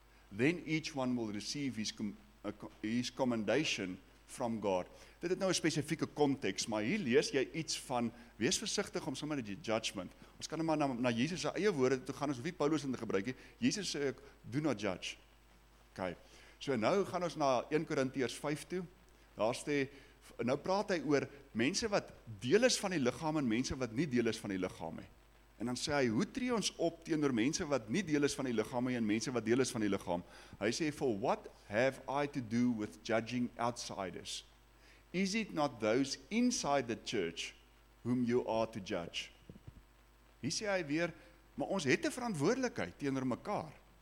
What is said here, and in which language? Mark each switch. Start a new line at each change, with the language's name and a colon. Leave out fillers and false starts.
English: Then each one will receive his commendation from God.
Afrikaans: Dit het nou 'n spesifieke konteks, maar hier lees jy iets van, wees versigtig om sommer die judgment. Ons kan maar na Jesus se eie woorde toe gaan, ons hoef nie Paulus in te gebruik nie. Jesus sê,
English: do not judge.
Afrikaans: Okay. So nou gaan ons na 1 Korintiërs 5 toe. Daar sê, nou praat hy oor mense wat deel is van die liggaam en mense wat nie deel is van die liggaam nie. En dan sê hy, hoe tree ons op teenoor mense wat nie deel is van die liggaam nie en mense wat deel is van die liggaam? Hy sê,
English: for what have I to do with judging outsiders? is it not those inside the church whom you are to judge?
Afrikaans: Hier sê hy weer, maar ons het 'n verantwoordelikheid teenoor mekaar.